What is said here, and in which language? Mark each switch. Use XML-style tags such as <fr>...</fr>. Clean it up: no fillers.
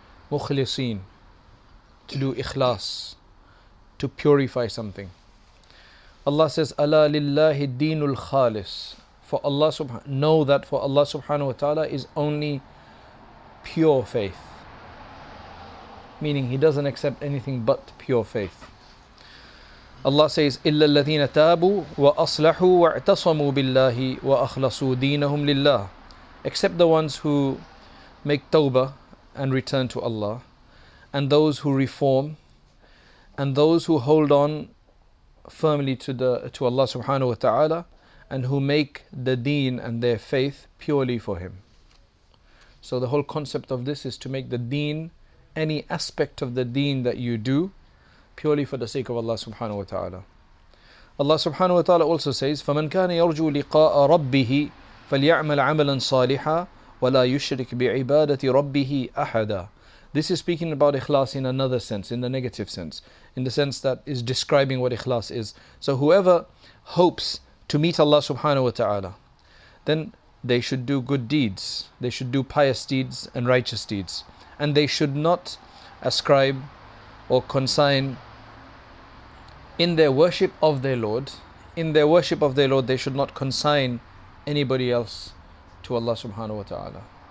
<en>Mukhlisin, to do ikhlas, to purify something. Allah says,</en> <ar>Ala lillahi dinul khalis.</ar> <en>For Allah know that for Allah subhanahu wa ta'ala is only pure faith. Meaning he doesn't accept anything but pure faith. Allah says,</en> <ar>إِلَّا الَّذِينَ تَابُوا وَأَصْلَحُوا وَاعْتَصَمُوا بِاللَّهِ وَأَخْلَصُوا دِينَهُمْ لِلَّهِ.</ar> <en>Except the ones who make tawbah and return to Allah, and those who reform, and those who hold on firmly to Allah subhanahu wa ta'ala, and who make the deen and their faith purely for Him. So the whole concept of this is to make the deen, any aspect of the deen that you do, purely for the sake of Allah subhanahu wa ta'ala.</en> <ar>Allah subhanahu wa ta'ala</ar> <en>also says,</en> <ar>فَمَنْ كَانَ يَرْجُوا لِقَاءَ رَبِّهِ فَلْيَعْمَلْ عَمَلًا صَالِحًا وَلَا يُشْرِكْ بِعِبَادَةِ رَبِّهِ أَحَدًا.</ar> <en>This is speaking about ikhlas in another sense, in the negative sense, in the sense that is describing what ikhlas is. So whoever hopes to meet Allah subhanahu wa ta'ala, then they should do good deeds. They should do pious deeds and righteous deeds. And they should not ascribe or consign in their worship of their Lord, in their worship of their Lord, they should not consign anybody else to Allah subhanahu wa ta'ala.</en>